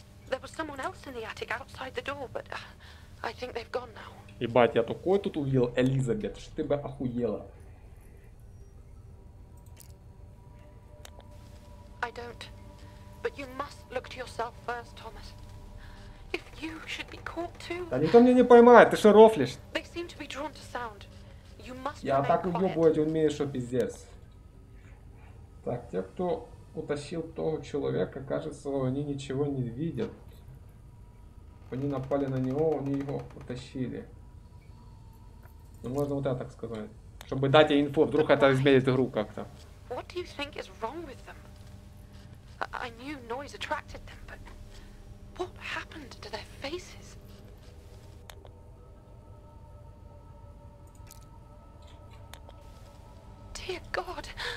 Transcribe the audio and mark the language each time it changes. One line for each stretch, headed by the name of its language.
English: There was someone else in the attic outside the door, but I think they've gone now.
Russian: Ебать, я такой тут увидел, Элизабет, что ты бы охуела.
English: I don't. But you must look to yourself first, Thomas. If you should be caught too.
Russian: Да никто меня не поймает, ты что рофлишь?
English: They seem to be drawn to sound. You must.
Russian: Я так уебывать умею, что пиздец. Так, те, кто утащил того человека, кажется, они ничего не видят. Они напали на него, они его утащили. Ну, можно вот так сказать. Чтобы дать ей инфу, вдруг это изменит игру как-то. Что ты думаешь, что
English: вrong with them? I knew noise attracted them, but what happened to their faces? Dear God!